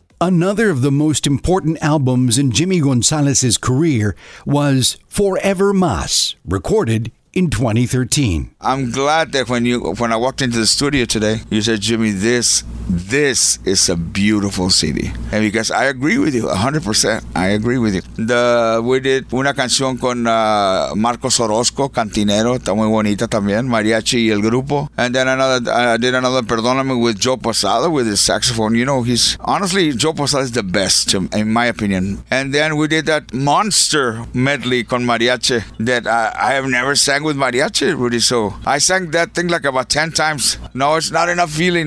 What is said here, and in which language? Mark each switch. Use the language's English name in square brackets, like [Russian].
[English] Another of the most important albums in Jimmy González's career was Forever Más, recorded in 2013. I'm glad that when I walked into the studio today, you said, Jimmy, this is a beautiful CD. And because I agree with you, 100%, I agree with you. We did [Spanish] una canción con Marcos Orozco, Cantinero, está muy bonita también, Mariachi y el grupo. [English] And then I did another Perdóname with Joe Posada with his saxophone. You know, he's, honestly, Joe Posada is the best, in my opinion. And then we did that monster medley con Mariachi that I have never sang with Mariachi, Rudy. So I sang that thing like about 10 times. No, it's not enough feeling.